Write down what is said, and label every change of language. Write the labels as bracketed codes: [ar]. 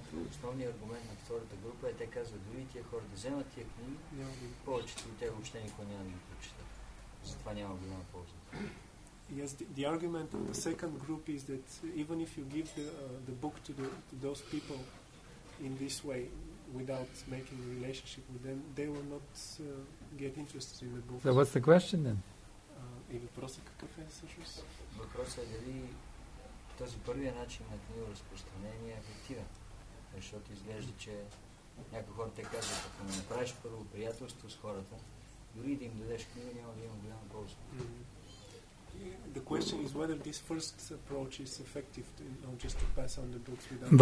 [bg] Основният аргумент на втората група е, те казват, дори тия хора да вземат тия книги, повечето от тях въобще никой няма да ги прочита. Затова няма голяма полза. [en] Yes, the argument of the second group is that even if you give the book to those people in this way, without making a relationship with them, they will not get interested in the book. So what's the question then? [bg] Този първият начин на книга разпространение е ефективен. Защото изглежда, че някои хора те казват, ако не направиш първо приятелство с хората, дори да им дадеш книга, няма да има голяма полза. [en] The question is whether this first approach is effective to, just to pass on the books without...